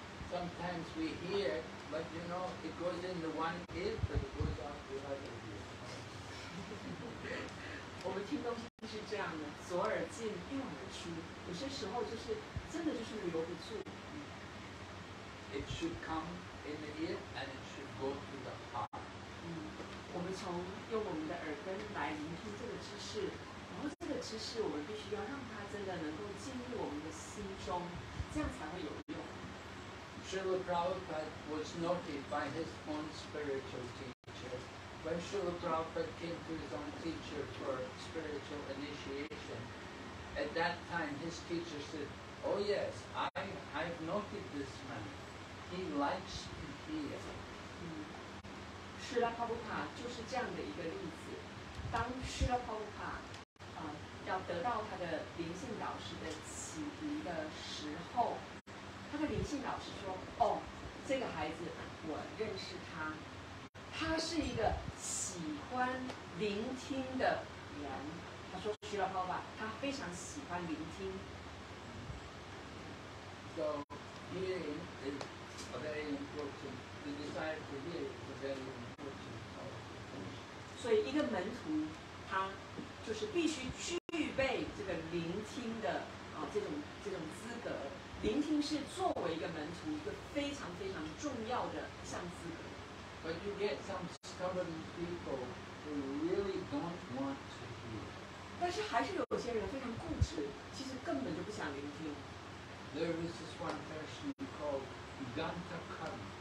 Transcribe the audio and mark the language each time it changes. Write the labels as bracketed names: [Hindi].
[English] Sometimes we hear, but you know it goes in the one ear, but it goes out the other ear. [Chinese] 我们听东西是这样的，左耳进右耳出，有些时候就是真的就是留不住。 [English] It should come in the ear and it should go to the heart. [Chinese] 我们从用我们的耳根来聆听这个知识，然后这个知识我们必须要让它真的能够进入我们的心中，这样才会有用。 [English] Srila Prabhupada was noted by his own spiritual teacher. When Srila Prabhupada came to his own teacher for spiritual initiation, at that time his teacher said, "Oh yes, I've noted this man. He likes to hear." [Chinese] 施拉帕布卡就是这样的一个例子。当施拉帕布卡要得到他的灵性导师的启迪的时候，他的灵性导师说：“哦，这个孩子我认识他，他是一个喜欢聆听的人。” 他说：“施拉帕布卡，他非常喜欢聆听。” [English] So hearing is a very important. The desire to hear is a very important. [Chinese] 所以一个门徒他就是必须具备这个聆听的这种资格。聆听是作为一个门徒一个非常非常重要的一项资格。 [English] But you get some stubborn people who really don't want to hear. [Chinese] 但是还是有些人非常固执，其实根本就不想聆听。 [English] There is this one person called Ganta Khan.